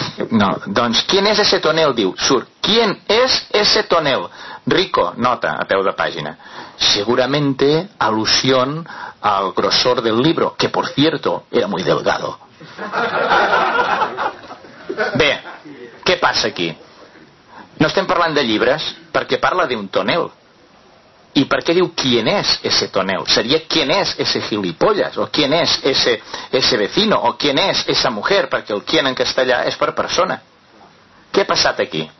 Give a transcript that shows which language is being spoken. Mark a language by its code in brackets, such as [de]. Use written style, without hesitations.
[ca] No, doncs, [es] ¿quién es ese tonel? [ca] Diu, surt, [es] ¿quién es ese tonel? [ca] Rico, nota, a peu de pàgina. [es] Seguramente alusión al grosor del libro, que por cierto era muy delgado. [ca] Bé, què passa aquí? No estem parlant de llibres perquè parla d'un tonel. I per què diu [es] quién es ese tonel? [ca] Seria [es] quién es ese gilipollas, o quién es ese vecino, o quién es esa mujer, [ca] perquè el quién en castellà és per persona. Què ha passat aquí?